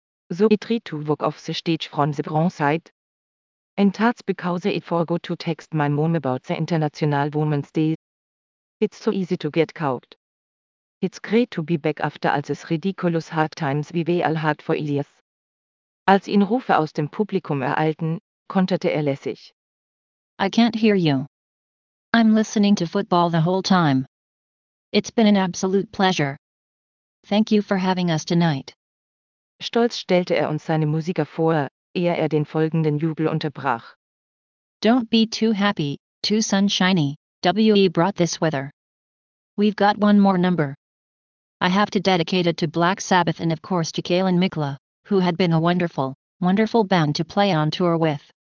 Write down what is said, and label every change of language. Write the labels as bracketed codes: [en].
[en] So it tried to walk off the stage from the bronze side. And that's because it forgot to text my mom about the International Women's Day. It's so easy to get caught. It's great to be back after all these ridiculous hard times we all had for years. [de] Als ihn Rufe aus dem Publikum ereilten, konterte er lässig. [en] I can't hear you. I'm listening to football the whole time. It's been an absolute pleasure. Thank you for having us tonight. [de] Stolz stellte er uns seine Musiker vor, ehe er den folgenden Jubel unterbrach. [en] Don't be too happy, too sunshiny, we brought this weather. We've got one more number. I have to dedicate it to Black Sabbath and of course to Kaylin Mikla, who had been a wonderful, wonderful band to play on tour with.